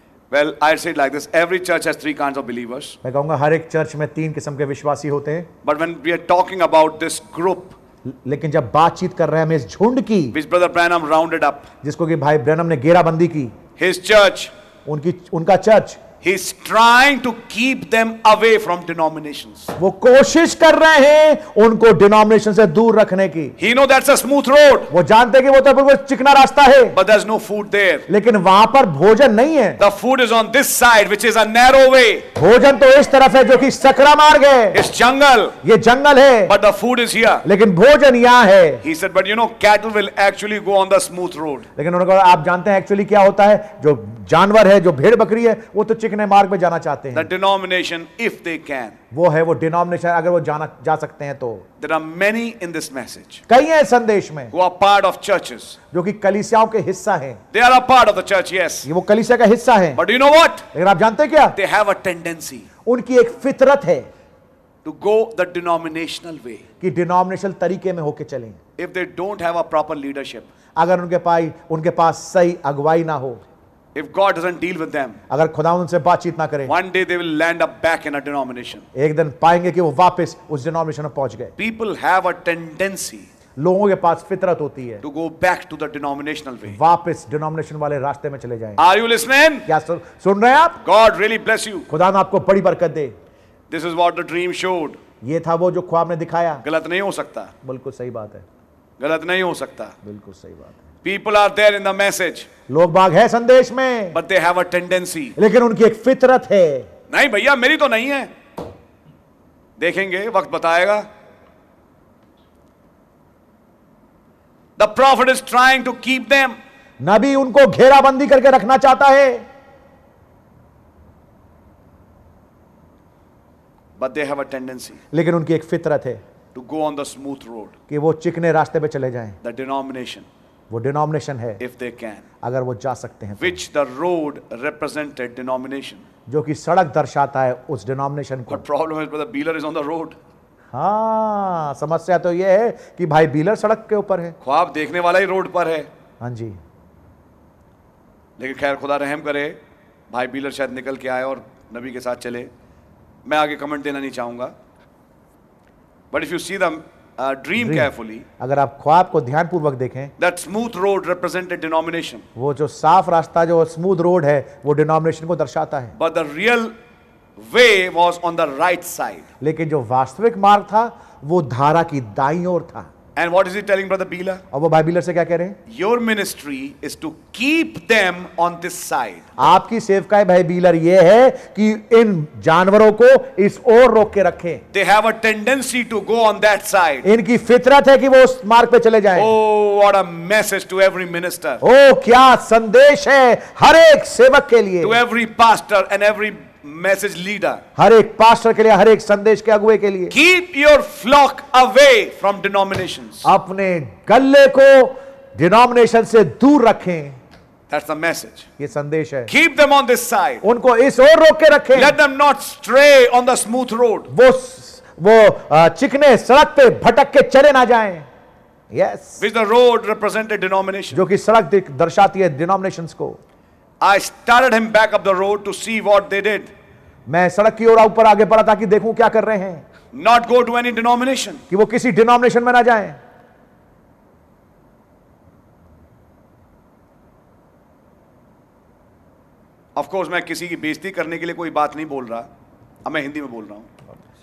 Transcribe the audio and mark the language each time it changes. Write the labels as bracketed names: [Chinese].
[English] Well, I'll say it like this. Every church has three kinds of believers. [Hindi] मैं कहूँगा हर एक church में तीन किस्म के विश्वासी होते हैं. [English] But when we are talking about this group, [Hindi] लेकिन जब बातचीत कर रहे हैं हम इस झुंड की, [English] which brother Branham rounded up, [Hindi] जिसको कि भाई ब्रैनम ने घेराबंदी की, [English] his church, [Hindi] उनकी उनका church, [English] he's trying to keep them away from denominations. [Hindi] वो कोशिश कर रहे हैं उनको डिनोमिनेशन से दूर रखने की. [English] He know that's a smooth road. [Hindi] वो जानते हैं कि वो तो बिल्कुल चिकना रास्ता है. [English] But there's no food there. [Hindi] लेकिन वहां पर भोजन नहीं है. [English] The food is on this side, which is a narrow way. [Hindi] भोजन तो इस तरफ है जो कि सकरा मार्ग है. [English] It's jungle. [Hindi] ये जंगल है. [English] But the food is here. [Hindi] लेकिन भोजन यहाँ है. [English] He said, but you know, cattle will actually go on the smooth road. [Hindi] लेकिन उन्होंने कहा आप जानते हैं एक्चुअली क्या होता है. जो जानवर है, जो भेड़ बकरी है, वो तो चिकने मार्ग में जाना चाहते हैं. [English] The denomination, if they can. [Hindi] वो है वो डिनोमिनेशन अगर वो जाना जा सकते हैं तो. [English] There are many in this message. [Hindi] कई हैं संदेश में. [English] Who are part of churches. [Hindi] जो कि कलीसियाओं के हिस्सा हैं. [English] They are a part of the church, yes. [Hindi] ये वो कलीसिया का हिस्सा हैं. [English] But you know what? [Hindi] लेकिन आप जानते क्या? [English] They have a tendency. [Hindi] उनकी एक फितरत है. [English] To go the denominational way. [Hindi] कि डिनोमिनेशनल तरीके में होके चलें. [English] If they don't have a proper leadership. [Hindi] अगर उनके पास सही अगुवाई ना हो. [English] If God doesn't deal with them, [Hindi] अगर खुदा उनसे बातचीत ना करे, [English] one day they will land up back in a denomination. [Hindi] एक दिन पाएंगे कि वो वापस उस denomination में पहुंच गए. [English] People have a tendency. [Hindi] लोगों के पास फितरत होती है. [English] To go back to the denominational way. [Hindi] वापस denomination वाले रास्ते में चले जाएं. [English] Are you listening? [Hindi] क्या सुन रहे हैं आप? [English] God really bless you. [Hindi] खुदा ने आपको बड़ी बरकत दे. [English] This is what the dream showed. [Hindi] ये था वो जो ख्वाब ने दिखाया. गलत नहीं हो सकता. बिल्कुल सही बात है. गलत नहीं हो सकता. बिल्कुल सही बात है. [English] People are there in the message. [Hindi] लोग बाग है संदेश में. [English] But they have a tendency. [Hindi] लेकिन उनकी एक फितरत है. नहीं भैया मेरी तो नहीं है. देखेंगे वक्त बताएगा. [English] The prophet is trying to keep them. [Hindi] नबी उनको घेराबंदी करके रखना चाहता है. [English] But they have a tendency. [Hindi] लेकिन उनकी एक फितरत है. [English] To go on the smooth road. [Hindi] कि वो चिकने रास्ते पे चले जाएं. [English] The denomination. [Hindi] वो डिनोमिनेशन है. [English] If they can. [Hindi] अगर वो जा सकते हैं. [English] Which the road represented denomination. [Hindi] जो कि सड़क दर्शाता है उस डिनोमिनेशन को. [English] But problem is, brother, Beeler is on the road. [Hindi] हाँ, समस्या तो ये है कि भाई बीलर सड़क के ऊपर है. ख्वाब देखने वाला ही रोड पर है. हाँ जी. लेकिन खैर खुदा रहम करे भाई बीलर शायद निकल के आए और नबी के साथ चले. मैं आगे कमेंट देना नहीं चाहूंगा. [English] But if you see the dream carefully. [Hindi] अगर आप ख्वाब को ध्यानपूर्वक देखें. [English] That smooth road represented denomination. [Hindi] वो जो साफ रास्ता जो स्मूथ रोड है वो डिनोमिनेशन को दर्शाता है. [English] But the real way was on the right side. [Hindi] लेकिन जो वास्तविक मार्ग था वो धारा की दाईं ओर था. [English] And what is he telling brother Beeler? [Hindi] अब वो भाई बीलर से क्या कह रहे हैं? [English] Your ministry is to keep them on this side. [Hindi] आपकी सेवकाई भाई बीलर ये है कि इन जानवरों को इस ओर रोक के रखें. [English] They have a tendency to go on that side. [Hindi] इनकी फितरत है कि वो उस मार्ग पे चले जाएं. [English] Oh, what a message to every minister. [Hindi] ओ क्या संदेश है हर एक सेवक के लिए. [English] To every pastor and every message leader. [Hindi] हर एक पास्टर के लिए हर एक संदेश के अगुए के लिए. [English] Keep your flock away from denomination. [Hindi] अपने गल्ले को डिनोमिनेशन से दूर रखें. [English] That's the message. [Hindi] ये संदेश है. [English] Keep them on this side. [Hindi] उनको इस ओर रोक के रखें. [English] Let them not stray on the smooth road. [Hindi] वो चिकने सड़क पे भटक के चले ना जाएं. [English] Yes. Which the road represented denomination. [Hindi] जो कि सड़क दर्शाती है denominations को. [English] I started him back up the road to see what they did. [Hindi] मैं सड़क की ओर ऊपर आगे बढ़ा ताकि देखूं क्या कर रहे हैं. [English] Not go to any denomination. [Hindi] कि वो किसी denomination में ना जाएं. [English] Of course, [Hindi] मैं किसी की बेइज्जती करने के लिए कोई बात नहीं बोल रहा. अब मैं हिंदी में बोल रहा हूं.